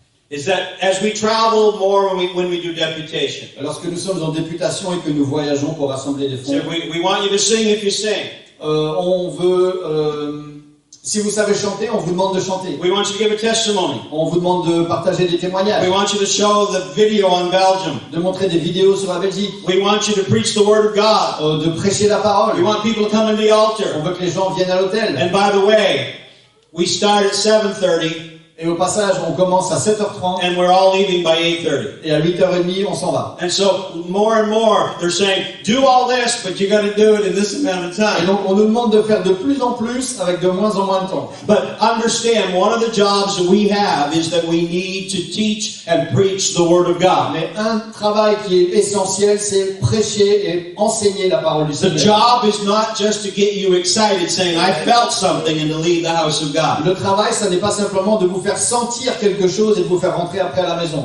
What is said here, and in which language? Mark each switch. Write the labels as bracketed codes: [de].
[en] Is that as we travel more when we do deputation? [fr] Lorsque nous sommes en députation et que nous voyageons pour rassembler des fonds. [en] So we want you to sing if you sing. [fr] On veut si vous savez chanter, on vous demande de chanter. [en] We want you to give a testimony. [fr] On vous demande de partager des témoignages. [en] We want you to show the video on Belgium. [fr] De montrer des vidéos sur la Belgique. [en] We want you to preach the word of God. [fr] De prêcher la parole. [en] We want people to come to the altar. [fr] On veut que les gens viennent à l'autel. [en] And by the way, we start at 7:30. [fr] Et au passage, on commence à 7h30. [en] And we're all leaving by 8:30. [fr] Et à 8h30, on s'en va. [en] And so, more and more, they're saying, do all this, but you got to do it in this amount of time. [fr] Et donc, on nous demande de faire de plus en plus avec de moins en moins de temps. [en] But understand, one of the jobs that we have is that we need to teach and preach the Word of God. [fr] Mais un travail qui est essentiel, c'est prêcher et enseigner la parole du Seigneur. [en] The job is not just to get you excited, saying, I felt something and to leave the house of God. [fr] Le travail, ça n'est pas simplement de vous faire sentir quelque chose et vous faire rentrer après à la maison.